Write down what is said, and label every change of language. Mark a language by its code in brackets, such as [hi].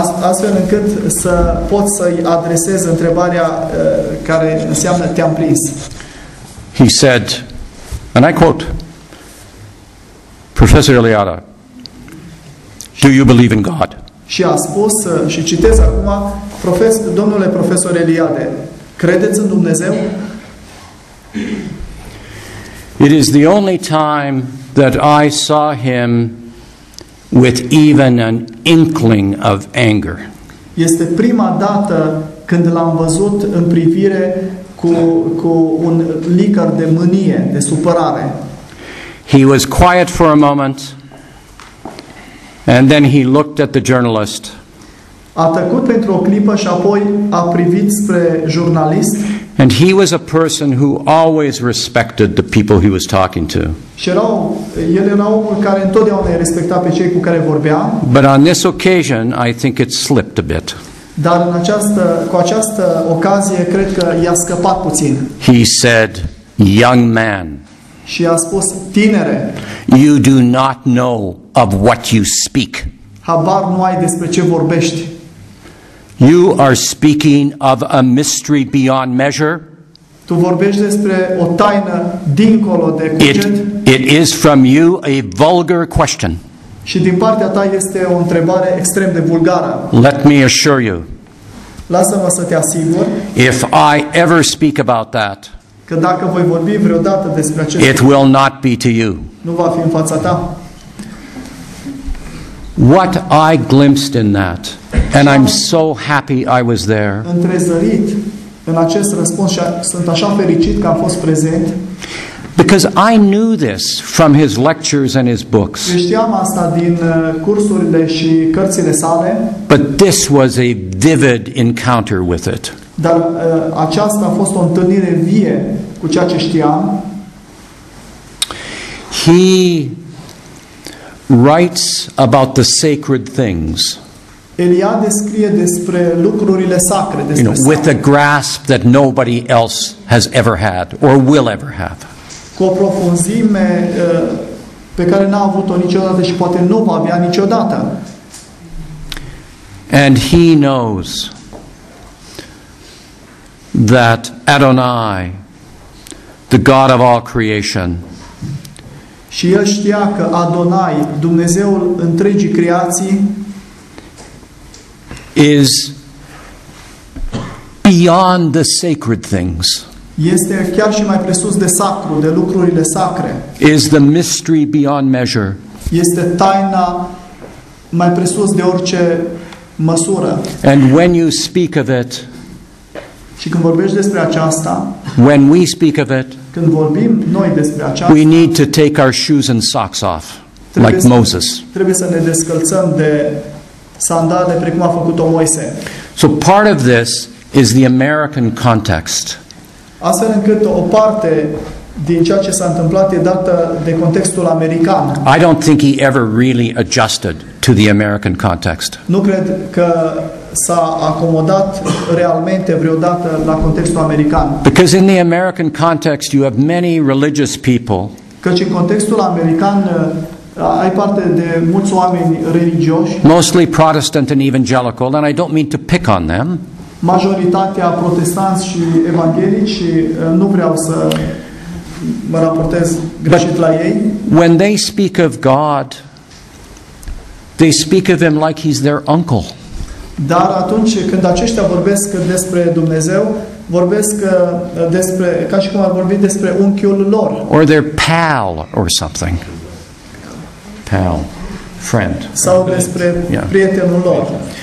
[ro] Astfel încât să pot să-i adresez întrebarea care înseamnă te-am prins. [en] He said, and I quote, Professor Eliade, do you believe in God? [ro] Și a spus, și citesc acum, domnule profesor Eliade, credeți în Dumnezeu? [en] It is the only time that I saw him with even an inkling of anger. [ro] Este prima dată când l-am văzut în privire cu un licăr de mânie, de supărare. [en] He was quiet for a moment and then he looked at the journalist. [ro] A tăcut pentru o clipă și apoi a privit spre jurnalist. [en] And he was a person who always respected the people he was talking to. [ro] El era omul care întotdeauna îi respecta pe cei cu care vorbea. [en] But on this occasion, I think it slipped a bit. [ro] Dar cu această ocazie, cred că i-a scăpat puțin. [en] He said, young man. [ro] Și a spus, tinere. [en] You do not know of what you speak. [ro] Habar nu ai despre ce vorbești. [en] You are speaking of a mystery beyond measure. [ro] Tu vorbești despre o taină dincolo de cuget. [en] It is from you a vulgar question. [ro] Și din partea ta este o întrebare extrem de vulgară. [en] Let me assure you. [ro] Lasă-mă să te asigur. [en] If I ever speak about that. [ro] Că dacă voi vorbi vreodată despre acest. [en] It will not be to you. [ro] Nu va fi în fața ta. [en] What I glimpsed in that, and I'm so happy I was there. [ro] Întrezărit în acest răspuns și sunt așa fericit că am fost prezent. [en] Because I knew this from his lectures and his books. [ro] Știam asta din cursurile și cărțile sale. [en] But this was a vivid encounter with it. [ro] Dar aceasta a fost o întâlnire vie cu ceea ce știam. [en] He writes about the sacred things. [ro] Eliade scrie despre lucrurile sacre, despre, [en] you know, with a grasp that nobody else has ever had or will ever have. [ro] Cu o profunzime pe care n-a avut-o niciodată și poate nu va avea niciodată. [en] And he knows that Adonai, the God of all creation, [ro] și el știa că Adonai, Dumnezeul întregii creații, [en] is beyond the sacred things. [ro] Este chiar și mai presus de sacru, de lucrurile sacre. [en] Is the mystery beyond measure. [ro] Este taina mai presus de orice măsură. [en] And when you speak of it, [ro] și când vorbești despre aceasta, [en] when we speak of it, [ro] când vorbim noi despre aceasta, [en] we need to take our shoes and socks off, like Moses. [ro] Trebuie să ne descălțăm de sandale, precum a făcut-o Moise. [en] So part of this is the American context. [ro] Astfel încât o parte din ceea ce s-a întâmplat e dată de contextul american. [en] I don't think he ever really adjusted to the American context. [ro] Nu cred că s-a acomodat realmente vreodată la contextul american. [en] Because in the American context you have many religious people. [ro] Căci în contextul american ai parte de mulți oameni religioși. [en] Mostly Protestant and evangelical, and I don't mean to pick on them. [ro] Majoritatea protestanți și evanghelici, nu vreau să mă raportez greșit la ei. [en] When they speak of God, they speak of him like he's their uncle. [ro] Dar atunci când aceștia vorbesc despre Dumnezeu, vorbesc despre, ca și cum ar vorbi despre unchiul lor. [en] Or their pal or something. Pal. Friend. [ro] Sau despre prietenul lor.